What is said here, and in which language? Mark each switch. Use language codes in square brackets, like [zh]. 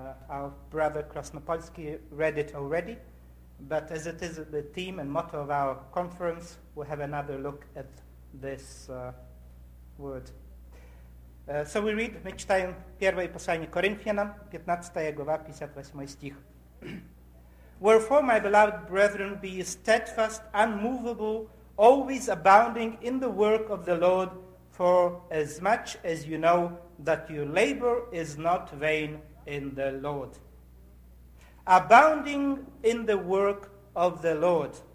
[en] Our brother Krasnopolsky read it already, but as it is the theme and motto of our conference, we'll have another look at this word. So we read, [ru] мы читаем первое послание Коринфянам, 15 глава, 58 стих. [en] Wherefore, my beloved brethren, be steadfast, unmovable, always abounding in the work of the Lord, for as much as you know that your labor is not vain in the Lord. Abounding in the work of the Lord.